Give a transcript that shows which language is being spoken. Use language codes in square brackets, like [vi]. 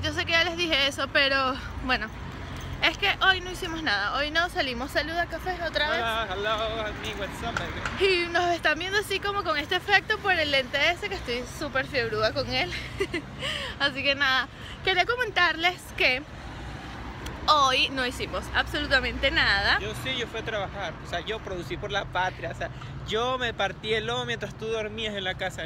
[es] Yo sé que ya les dije eso, pero bueno, es que hoy no hicimos nada. Hoy no salimos. Saluda, café, otra vez. [en] Hola, hello, honey, what's up, baby? [es] Y nos están viendo así como con este efecto por el lente ese, que estoy súper fiebruda con él. Así que nada, quería comentarles que hoy no hicimos absolutamente nada. Yo sí, yo fui a trabajar. O sea, yo producí por la patria. O sea, yo me partí el lomo mientras tú dormías en la casa.